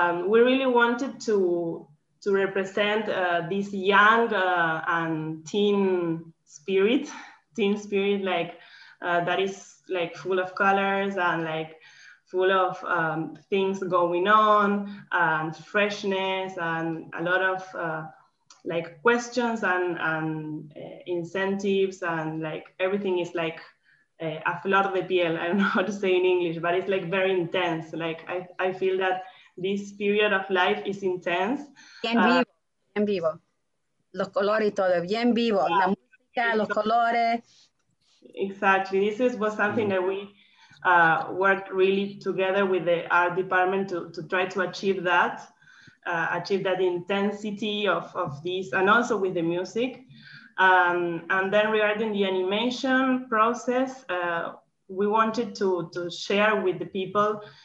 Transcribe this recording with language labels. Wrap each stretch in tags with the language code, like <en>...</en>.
<en>We really wanted to represent this young and teen spirit, like that is like full of colors and like full of things going on and freshness and a lot of like questions and incentives, and like everything is like</en> <es>a flor de piel.</es> <en>I don't know how to say in English, but it's like very intense. Like I feel that this period of life is intense.</en> <es>Bien vivo, los colores y todo, bien vivo, la música, los colores.</es> <en>Exactly, this was something that we worked really together with the art department to try to achieve that intensity of this, and also with the music. And then regarding the animation process, we wanted to share with the people</en>